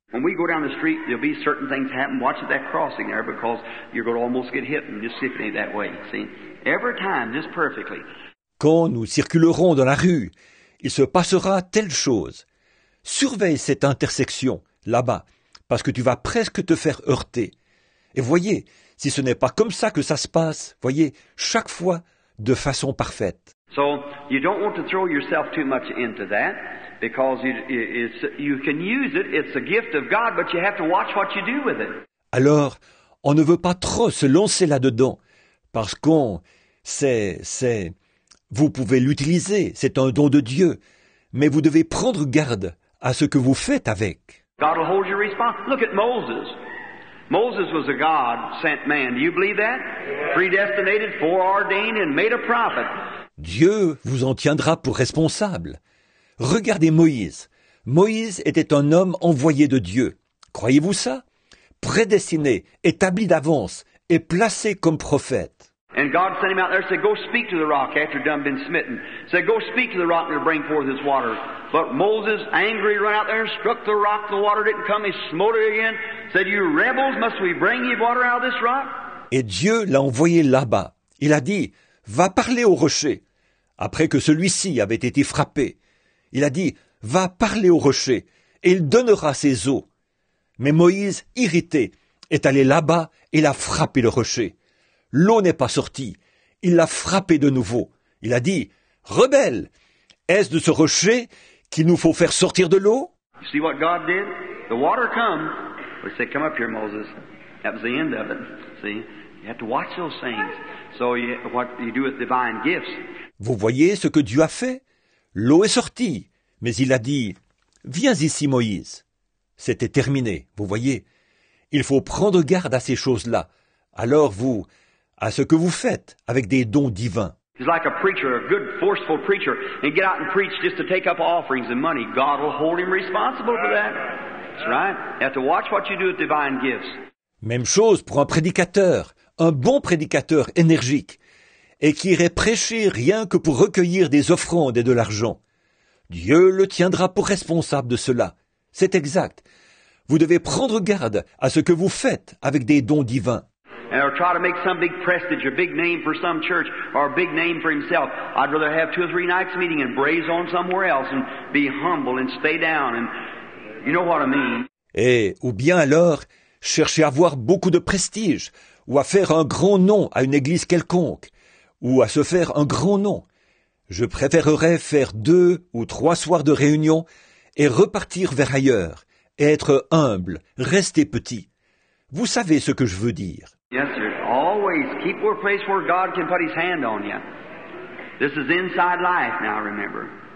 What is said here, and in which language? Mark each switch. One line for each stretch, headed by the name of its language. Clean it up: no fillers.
English: When we go down the street, there'll be certain things happen. Watch at that crossing there, because you're going to almost get hit and just sifting that way. See? Every time, just perfectly.
French: Quand nous circulerons dans la rue, il se passera telle chose. Surveille cette intersection, là-bas, parce que tu vas presque te faire heurter. Et voyez, si ce n'est pas comme ça que ça se passe, voyez, chaque fois, de façon parfaite.
English: So, you don't want to throw yourself too much into that, because you can use it, it's a gift of God, but you have to watch what you do with it.
French: Alors, on ne veut pas trop se lancer là-dedans, parce qu'on, c'est... Vous pouvez l'utiliser, c'est un don de Dieu, mais vous devez prendre garde à ce que vous faites avec.
English: God will hold your response. Look at Moses. Moses was a God sent man. Do you believe that? Predestinated, foreordained, and made a prophet.
French: Dieu vous en tiendra pour responsable. Regardez Moïse. Moïse était un homme envoyé de Dieu. Croyez-vous ça? Prédestiné, établi d'avance et placé comme prophète.
English: And God sent him out there and said, go speak to the rock after you've been smitten. Said, go speak to the rock and it'll bring forth its water. But Moses, angry, ran out there and struck the rock. The water didn't come. He smote it again. Said, you rebels, must we bring ye water out of this rock?
French: Et Dieu l'a envoyé là-bas. Il a dit, va parler au rocher. Après que celui-ci avait été frappé, il a dit, va parler au rocher et il donnera ses eaux. Mais Moïse, irrité, est allé là-bas et l'a frappé le rocher. L'eau n'est pas sortie. Il l'a frappé de nouveau. Il a dit, « Rebelle, est-ce de ce rocher qu'il nous faut faire sortir de l'eau ?»
English: You see what God did? The water come. He said, come up here, Moses. That was the end of it. See? You have to watch those things. So you, what you do with divine gifts.
French: Vous voyez ce que Dieu a fait? L'eau est sortie. Mais il a dit, « Viens ici, Moïse. » C'était terminé, vous voyez. Il faut prendre garde à ces choses-là. Alors vous, à ce que vous faites avec des dons divins.
English: He's like a preacher, a good, forceful preacher, and get out and preach just to take up offerings and money. God will hold him responsible for that. That's right. You have to watch what you do with divine gifts.
French: Même chose pour un prédicateur, un bon prédicateur énergique, et qui irait prêcher rien que pour recueillir des offrandes et de l'argent. Dieu le tiendra pour responsable de cela. C'est exact. Vous devez prendre garde à ce que vous faites avec des dons divins.
English: And or try to make some big prestige, a big name for some church, or a big name for himself. I'd rather have two or three nights meeting and braze on somewhere else and be humble and stay down. And you know what I mean.
French: Et ou bien alors, chercher à avoir beaucoup de prestige, ou à faire un grand nom à une église quelconque, ou à se faire un grand nom. Je préférerais faire deux ou trois soirs de réunion et repartir vers ailleurs, et être humble, rester petit. Vous savez ce que je veux dire.
English: Yes, sir. Always keep your place where God can put his hand on you. This is inside life now, remember.